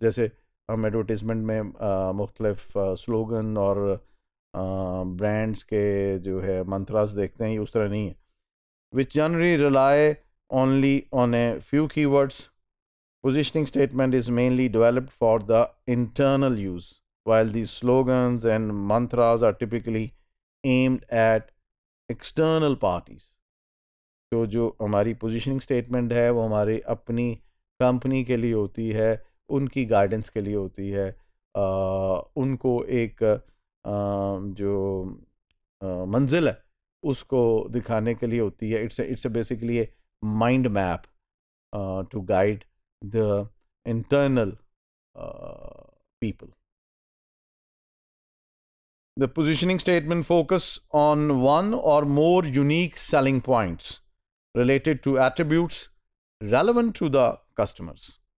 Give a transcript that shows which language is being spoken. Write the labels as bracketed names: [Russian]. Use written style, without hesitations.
[Urdu] جیسے ہم ایڈورٹیزمنٹ میں مختلف سلوگن اور برانڈس کے جو ہے منتراز دیکھتے ہیں, یہ اس طرح نہیں ہے. [English] Which generally rely only on a few key words. Positioning statement is mainly developed for the internal use, while the slogans and mantras are typically aimed at external parties. [Urdu] تو جو ہماری پوزیشننگ اسٹیٹمنٹ ہے وہ ہماری اپنی کمپنی کے لیے ہوتی ہے, ان کی گائیڈنس کے لیے ہوتی ہے, ان کو ایک جو منزل ہے اس کو دکھانے کے لیے ہوتی ہے. [English] It's a basically a mind map to guide the internal people. The positioning statement focus on one or more unique selling points related to attributes relevant to the customers.